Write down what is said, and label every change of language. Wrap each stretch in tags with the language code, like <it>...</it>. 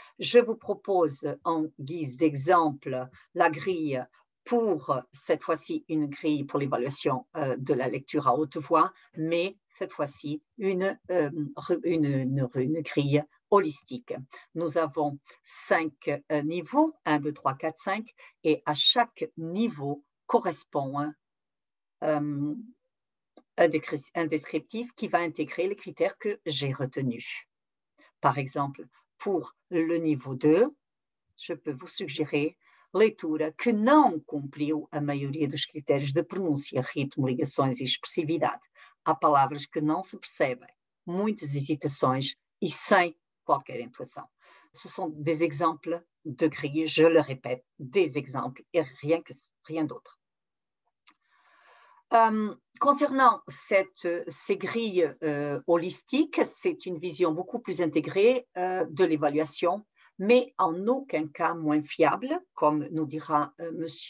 <fr>Je vous propose en guise d'exemple la grille pour, cette fois-ci, une grille pour l'évaluation de la lecture à haute voix, mais cette fois-ci, une grille holistique. Nous avons 5 niveaux, 1, 2, 3, 4, 5, et à chaque niveau correspond un descriptif qui va intégrer les critères que j'ai retenus. Par exemple, pour le niveau 2, je peux vous suggérer</fr> <pt>leitura que não cumpriu a maioria dos critérios de pronúncia, ritmo, ligações e expressividade. Há palavras que não se percebem, muitas hesitações e sem qualquer intuição.</pt> <fr>Ce sont des exemples de grilles, je le répète, des exemples et rien d'autre. Concernant ces grilles holistiques, c'est une vision beaucoup plus intégrée de l'évaluation, mais en aucun cas moins fiable, comme nous dira M.</fr>